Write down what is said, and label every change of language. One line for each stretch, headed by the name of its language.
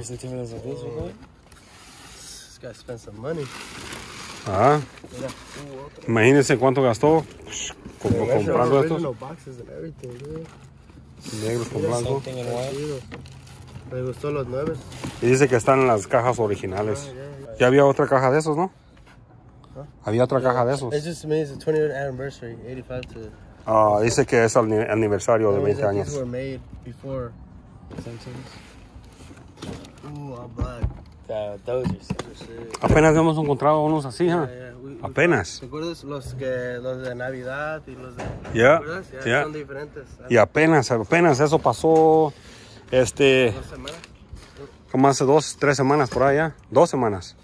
English: Timberlands like this, right? This guy spent some money. Ah.
Spanish: Imagínense cuánto gastó comprando estos.
English: Original boxes and everything, dude.
Spanish: Negros con blanco. Me gustó los nueves. Y dice que están en las cajas originales. Ya había otra caja de esos, ¿no? Había otra caja de esos.
English: It just means it's the 20th anniversary, 85 to...
Spanish: Ah, dice que es el aniversario de 20 años.
English: These were made before Simpsons. Ooh, I'm black. Yeah, those are sick.
Spanish: Apenas hemos encontrado unos así, ¿eh?
English: Yeah, yeah.
Spanish: Apenas. ¿Te acuerdas los de Navidad y los de...
English: Yeah.
Spanish: ¿Te acuerdas?
English: Yeah, yeah.
Spanish: Son diferentes. Y apenas eso pasó... Este... ¿Dos semanas? ¿Cómo hace dos, tres semanas por allá? ¿Dos semanas?